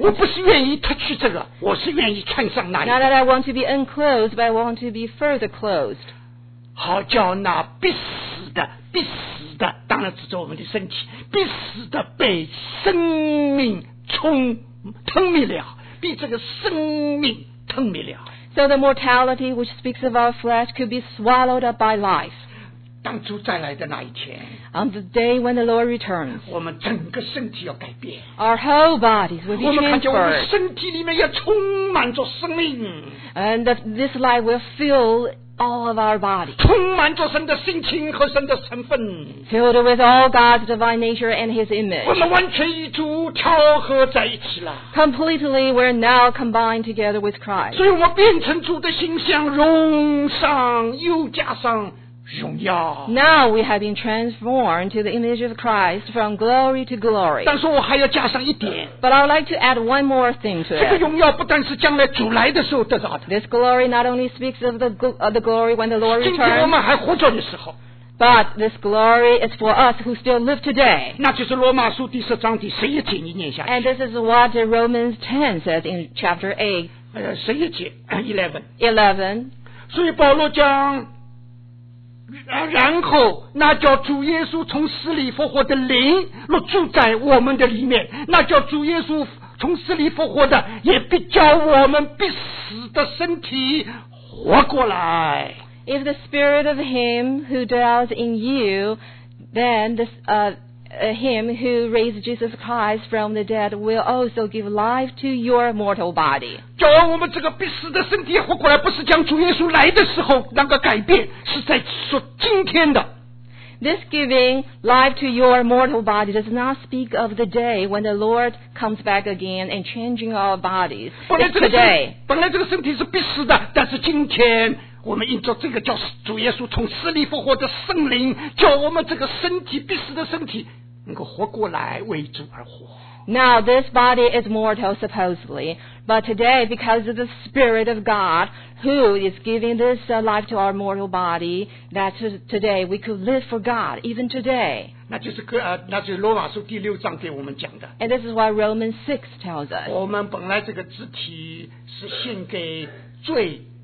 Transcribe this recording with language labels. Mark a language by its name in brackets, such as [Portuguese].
[Chinese] 我不是愿意脱去这个，我是愿意穿上那一个。 [English] Not that I want to be unclothed, but I want to be further clothed. [Chinese] 好叫那必死的当然指着我们的身体必死的被生命吞灭了被这个生命吞灭了 [English] So the mortality which speaks of our flesh could be swallowed up by life [Chinese] 当主再来的那一天 [English] On the day when the Lord returns [Chinese] 我们整个身体要改变 [English] Our whole bodies will be transferred [Chinese] 我们看见我们身体里面要充满着生命 [English] And this life will fill all of our bodies [Chinese] 充满着神的性情和神的成分 [English] Filled with all God's divine nature and His image [Chinese] 我们完全与主调和在一起了 [English] Completely we're now combined together with Christ [Chinese] 所以我们变成主的形象荣上又加上 [English] Now we have been transformed to the image of Christ from glory to glory. But I would like to add one more thing to it. This glory not only speaks of the glory when the Lord returns, but this glory is for us who still live today. And this is what Romans 10 says in chapter 8. [Chinese] 11. 11. 所以保罗讲然后那叫主耶稣从死里复活的灵若住在我们的里面那叫主耶稣从死里复活的也必叫我们必死的身体活过来 [English] If the spirit of him who dwells in you then this, him who raised Jesus Christ from the dead will also give life to your mortal body [Chinese] 叫我们这个必死的身体活过来不是将主耶稣来的时候那个改变是在说今天的 [English] This giving life to your mortal body does not speak of the day when the Lord comes back again and changing our bodies It's today [Chinese] 本来这个身体是必死的但是今天我们因着这个叫主耶稣从死里复活的圣灵叫我们这个身体必死的身体能够活过来为主而活 [English] Now this body is mortal supposedly But today because of the spirit of God Who is giving this life to our mortal body That today we could live for God even today [Chinese] 那就是罗马书第六章给我们讲的 [English] And this is what Romans 6 tells us [Chinese] 我们本来这个肢体是献给罪